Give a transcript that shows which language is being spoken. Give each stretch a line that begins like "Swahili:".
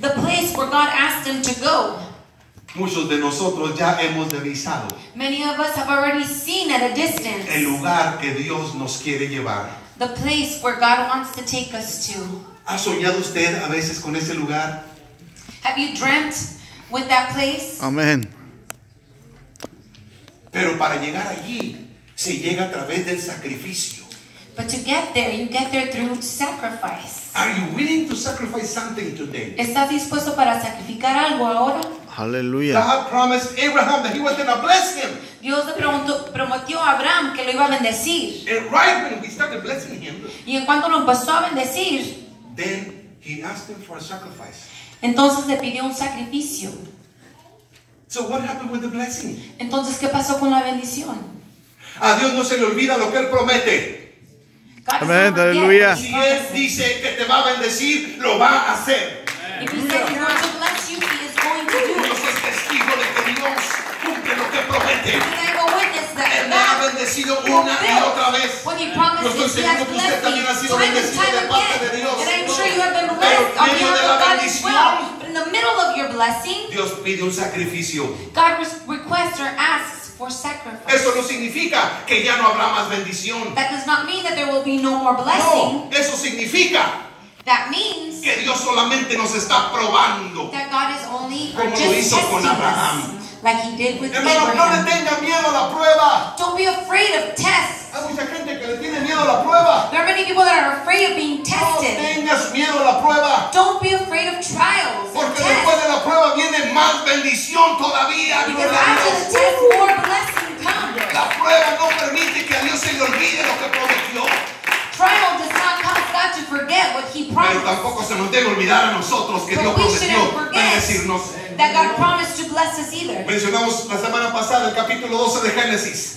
English: The place where God asked him to go.
Spanish: Muchos de nosotros ya hemos divisado.
English: Many of us have already seen at a distance.
Spanish: El lugar que Dios nos quiere llevar.
English: The place where God wants to take us to.
Spanish: ¿Ha soñado usted a veces con ese lugar?
English: Have you dreamt with that place?
Spanish: Amén. Pero para llegar allí, se llega a través del sacrificio.
English: But to get there, you get there through sacrifice. Are you willing to sacrifice something today?
Spanish: ¿Estás dispuesto para sacrificar algo ahora?
English: Hallelujah. God promised Abraham that he was going to bless him.
Spanish: Dios le prometió a Abraham que lo iba a bendecir.
English: And right when he started blessing him,
Spanish: y en cuanto lo empezó a bendecir,
English: then he asked him for a sacrifice.
Spanish: Entonces le pidió un sacrificio.
English: So what happened with the blessing?
Spanish: Entonces, ¿qué pasó con la bendición? A Dios no se le olvida lo que él promete. Amén, aleluya. Si él dice que te va a bendecir, lo va a hacer.
English: If he says he's going to bless you, he is going to do it.
Spanish: Dios es testigo de que Dios cumple lo que promete. Él ha bendecido una y otra vez. Yo estoy seguro que usted también ha sido bendecido de parte de Dios.
English: And I'm sure you have been blessed on behalf of God as well. But in the middle of your blessing. blessing.
Spanish: Dios pide un sacrificio.
English: God requests or asks for sacrifice.
Spanish: Eso no significa que ya no habrá más bendición.
English: That does not mean that there will be no more blessing.
Spanish: No, eso significa.
English: That means
Spanish: que Dios solamente nos está probando.
English: That God is only
Spanish: como lo hizo con Abraham.
English: Like he did with
Spanish: Hermano,
English: Abraham.
Spanish: No le tenga miedo a la prueba.
English: Don't be afraid of tests.
Spanish: Hay mucha gente que le tiene miedo a la prueba.
English: There are many people that are afraid of being tested.
Spanish: No tengas miedo a la prueba.
English: Don't be afraid of trials.
Spanish: Porque después de la prueba viene más bendición todavía.
English: Because after the test, more blessing comes.
Spanish: La prueba no permite que a Dios se le olvide lo que prometió.
English: Trial does not cause God to forget what he promised.
Spanish: Pero tampoco se nos debe olvidar a nosotros que Dios prometió bendecirnos.
English: That God promised to bless us either.
Spanish: Mencionamos la semana pasada el capítulo 12 de Génesis.